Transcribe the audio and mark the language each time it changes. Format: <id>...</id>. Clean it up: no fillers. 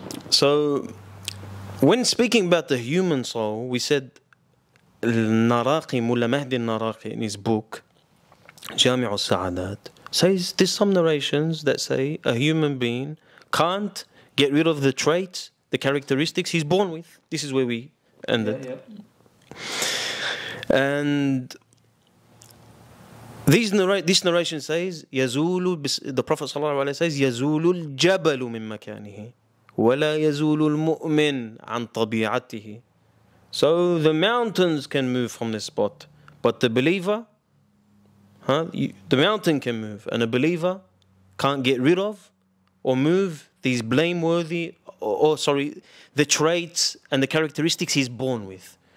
<en>So, when speaking about the human soul, we said, Naraqi, Mulla Mahdi Naraqi, in his book, Jami'u Sa'adat, says there's some narrations that say a human being can't get rid of the traits, the characteristics he's born with. This is where we ended. Yeah. And this narration says,</en> <ar>يَزُولُ the Prophet صلى الله عليه وسلم says, يَزُولُ الْجَبَلُ مِن مَكَانِهِ وَلَا يَزُولُ الْمُؤْمِنُ عَن طَبِيعَتِهِ.</ar> <en>So the mountains can move from this spot, but the believer, the mountain can move, and a believer can't get rid of or move these blameworthy, the traits and the characteristics he's born with.</en>